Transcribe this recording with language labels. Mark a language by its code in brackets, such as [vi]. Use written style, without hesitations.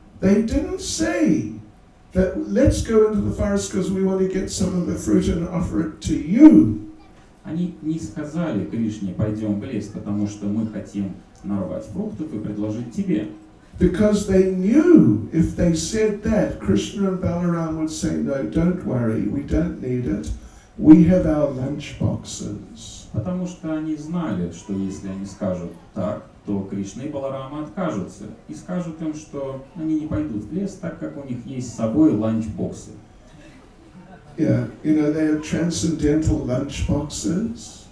[en] They didn't say that let's go into the forest because we want to get some of the fruit and offer it to you. [ru] Они не сказали Кришне, пойдем в лес, потому что мы хотим нарвать фруктов и предложить тебе. [en] Because they knew if they said that, Krishna and Balaram would say, no, don't worry, we don't need it. We have our lunch boxes. [ru] Потому что они знали, что если они скажут так, то Кришна и Баларама откажутся и скажут им, что они не пойдут в лес, так как у них есть с собой ланчбоксы. [en] Yeah, you know, they have transcendental lunchboxes.